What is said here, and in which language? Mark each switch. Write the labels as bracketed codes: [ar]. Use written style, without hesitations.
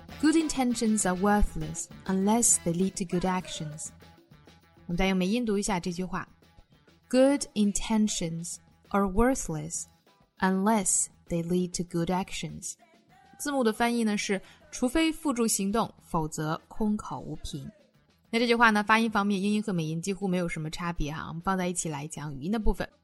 [en] Good intentions are worthless unless they lead to good actions. [zh] 我们再用美音读一下这句话。 [en] Good intentions are worthless unless they lead to good actions. [zh] 字幕的翻译呢是除非付诸行动否则空口无凭。那这句话呢发音方面英音和美音几乎没有什么差别哈，我们放在一起来讲语音的部分。